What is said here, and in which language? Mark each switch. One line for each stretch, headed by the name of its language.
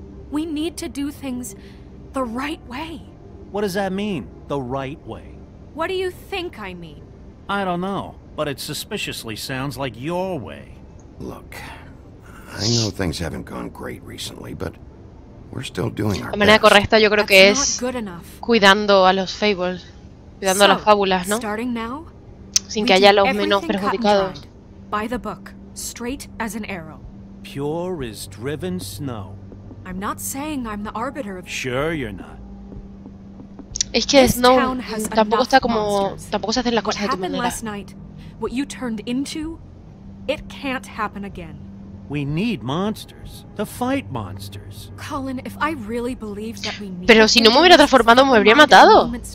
English: We need to do things the right way. What does that mean, the right way? What do you think I mean? I don't know, but it suspiciously sounds like your way. Look, I know things haven't gone great recently, but we're still doing our best.
Spanish: La manera correcta yo creo que es cuidando a los fables, cuidando a las fábulas, ¿no?
English: Starting now,
Spanish: sin que haya los menos perjudicados.
English: By the book, straight as an arrow. Pure as driven snow. I'm not saying I'm the arbiter of. Sure you're not.
Spanish: Es que Snow tampoco está como tampoco se hacen las cosas de tu manera.
English: Last night, what you turned into, it can't happen again. We need monsters to fight monsters. Colin, if I really believed that we need.
Spanish: Pero si no me hubiera transformado me habría matado.